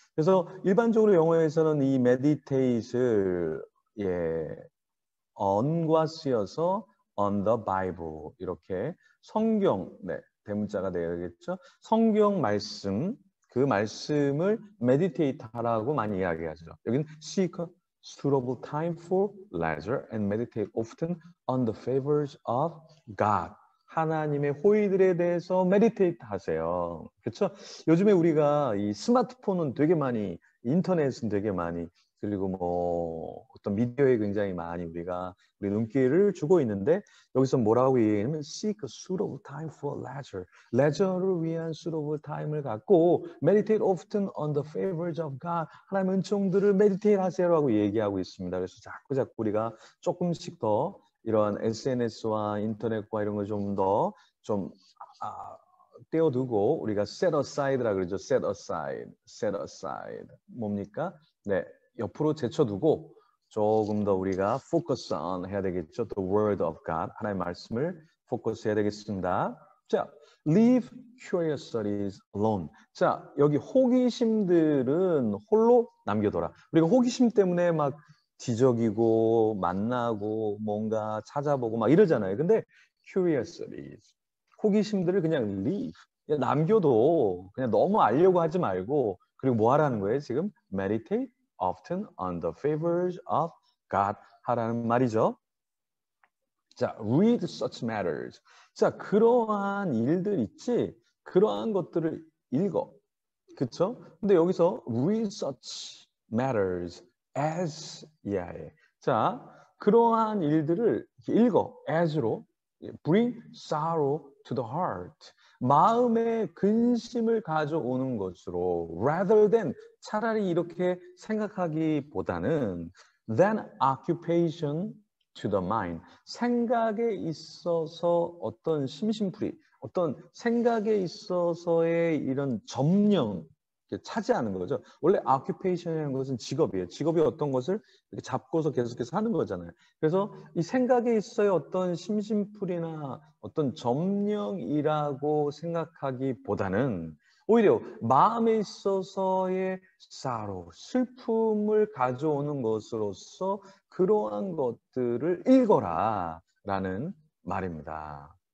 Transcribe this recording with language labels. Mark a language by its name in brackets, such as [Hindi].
[Korean] 그래서 일반적으로 영어에서는 이 meditate을 예, on과 쓰여서 [English] on the Bible [Korean] 이렇게 성경, 네, 대문자가 되어야겠죠. 성경 말씀, 그 말씀을 meditate 하라고 많이 이야기하죠. [English] 여기는 seek a suitable time for leisure and meditate often on the favors of God. [Korean] 하나님의 호의들에 대해서 메디테이트 하세요. 그렇죠? 요즘에 우리가 이 스마트폰은 되게 많이, 인터넷은 되게 많이, 그리고 뭐 어떤 미디어에 굉장히 많이 우리가 우리 눈길을 주고 있는데 여기서 뭐라고 얘기하냐면 [English] Seek a suitable time for leisure. leisure를 위한 suitable time을 갖고 meditate often on the favors of God. [Korean] 하나님의 은총들을 메디테이트 하세요라고 얘기하고 있습니다. 그래서 자꾸자꾸 우리가 조금씩 더 이러한 SNS와 인터넷과 이런 걸좀더좀 떼어두고 우리가 set aside라 그러죠. set aside, set aside. 뭡니까? 네, 옆으로 제쳐두고 조금 더 우리가 focus on 해야 되겠죠. [English] The word of God, [Korean] 하나님의 말씀을 focus 해야 되겠습니다. [English] 자, leave curious studies alone. [Korean] 자, 여기 호기심들은 홀로 남겨둬라. 우리가 호기심 때문에 막 지적이고 만나고 뭔가 찾아보고 막 이러잖아요. 근데 curiosities, 호기심들을 그냥 leave, 그냥 남겨도 그냥 너무 알려고 하지 말고 그리고 뭐 하라는 거예요? [English] 지금 meditate often on the favors of God [Korean] 하라는 말이죠. 자, [English] read such matters. [Korean] 자, 그러한 일들 있지? 그러한 것들을 읽어. 그쵸? 근데 여기서 [English] read such matters. [Korean] as 이하에. 자, 그러한 일들을 읽어. as로. [English] bring sorrow to the heart. [Korean] 마음에 근심을 가져오는 것으로. rather than, 차라리 이렇게 생각하기보다는 [English] than occupation to the mind. [Korean] 생각에 있어서 어떤 심심풀이, 어떤 생각에 있어서의 이런 점령, 차지하는 거죠. 원래 occupation이라는 것은 직업이에요. 직업이 어떤 것을 이렇게 잡고서 계속해서 하는 거잖아요. 그래서 이 생각에 있어야 어떤 심심풀이나 어떤 점령이라고 생각하기보다는 오히려 마음에 있어서의 sorrow, 슬픔을 가져오는 것으로서 그러한 것들을 읽어라 라는 말입니다.